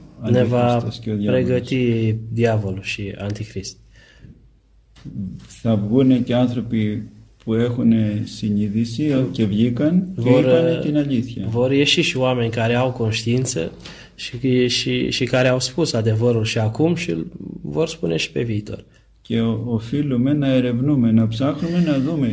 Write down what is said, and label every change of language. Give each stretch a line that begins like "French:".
Romanian: Ne va pregăti diavolul și anticrist.
Greek: Θα βγουν και άνθρωποι που έχουν συνειδήσει και βγήκαν και είπαν την αλήθεια.
Romanian: Vor ieși și oameni care au conștiință și care au spus adevărul și acum și îl vor spune și pe viitor.
Greek: Και οφείλουμε να ερευνούμε, να ψάχνουμε, να δούμε.